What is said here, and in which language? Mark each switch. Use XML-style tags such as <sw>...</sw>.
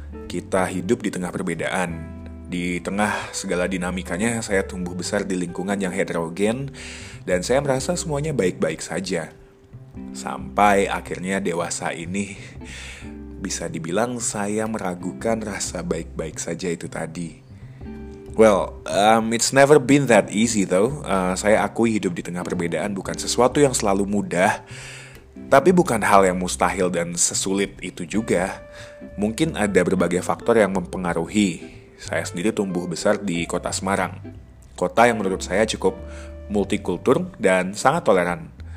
<id>Kita hidup di tengah perbedaan. Di tengah segala dinamikanya, saya tumbuh besar di lingkungan yang heterogen dan saya merasa semuanya baik-baik saja. Sampai akhirnya dewasa ini, bisa dibilang saya meragukan rasa baik-baik saja itu tadi.</id> <en>Well, it's never been that easy though.</en> <id>Saya akui hidup di tengah perbedaan bukan sesuatu yang selalu mudah, tapi bukan hal yang mustahil dan sesulit itu juga. Mungkin ada berbagai faktor yang mempengaruhi. Saya sendiri tumbuh besar di kota Semarang, kota yang menurut saya cukup multikultur dan sangat toleran.</id>